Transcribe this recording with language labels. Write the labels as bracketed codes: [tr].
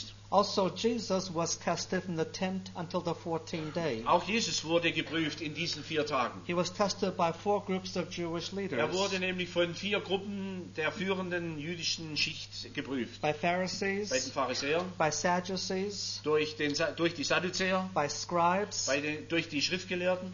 [en] Also Jesus was tested from the 10th until the 14th day. [de] Auch Jesus wurde geprüft in diesen 4 Tagen. [en] He was tested by 4 groups of Jewish leaders. [de] Er wurde nämlich von 4 Gruppen der führenden jüdischen Schicht geprüft. [en] By Pharisees. [de] Bei den Pharisäern. [en] By Sadducees. [de] Durch die Sadduzäer. [en] By scribes. [de] Durch die Schriftgelehrten.